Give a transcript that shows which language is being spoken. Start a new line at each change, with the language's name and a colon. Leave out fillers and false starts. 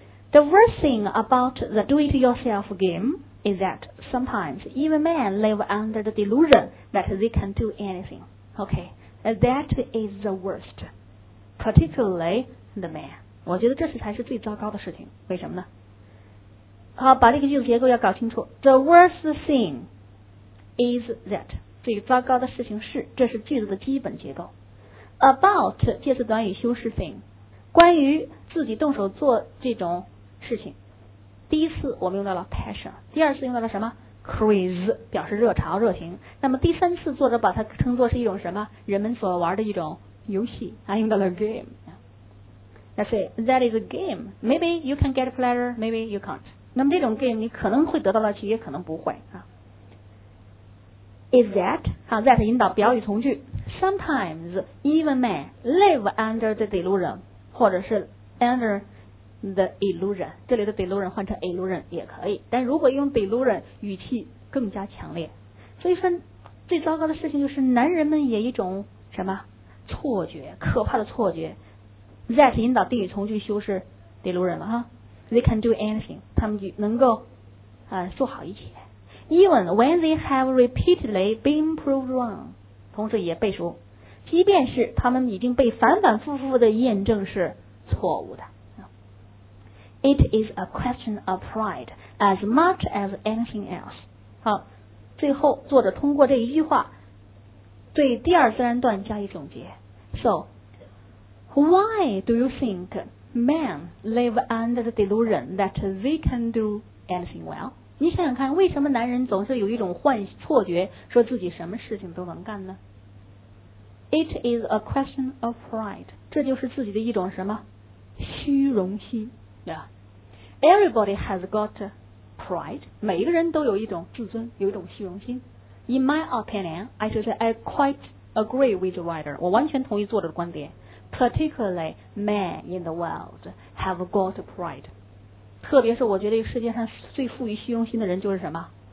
English: The worst thing about the do-it-yourself game is that sometimes even men live under the delusion that they can do anything. Okay, that is the worst. Particularly the man.
Chinese: 我觉得这才是最糟糕的事情。为什么呢？好，把这个句子结构要搞清楚。
English: The worst thing is that.
Chinese: 最糟糕的事情是，这是句子的基本结构。 About 介词短语修饰 thing， 关于自己动手做这种事情。第一次我们用到了 passion， 第二次用到了什么 craze， 表示热潮热情。那么第三次作者把它称作是一种什么人们所玩的一种游戏，还用到了 game。
English: That's it. That is a game. Maybe you can get pleasure, maybe you can't.
Chinese: 那么这种 game 你可能会得到乐趣，也可能不会啊。
English: Is that
Chinese: 啊 that 引导表语从句。
English: Sometimes even men live under the delusion，
Chinese: 或者是 under the illusion， 这里的 delusion 换成 illusion 也可以，但如果用 delusion 语气更加强烈。所以说最糟糕的事情就是男人们也一种什么错觉，可怕的错觉。 that 引导定语从句修饰 delusion 了哈。
English: they can do anything，
Chinese: 他们就能够做好一切。
English: even when they have repeatedly been proved wrong，
Chinese: 同时也背书，即便是他们已经被反反复复的验证是错误的。
English: It is a question of pride as much as anything else.
Chinese: 好，最后作者通过这一句话对第二自然段加以总结。
English: So why do you think men live under the delusion that they can do anything well?
Chinese: 你想想看，为什么男人总是有一种幻错觉说自己什么事情都能干呢？
English: It is a question of pride.
Chinese: 这就是自己的一种什么虚荣心。
English: Yeah. Everybody has got pride.
Chinese: 每一个人都有一种自尊，有一种虚荣心。
English: In my opinion, I should say I quite agree with the writer.
Chinese: 我完全同意作者的观点。
English: Particularly men in the world have got pride.
Chinese: 特别是我觉得世界上最富于虚荣心的人就是什么？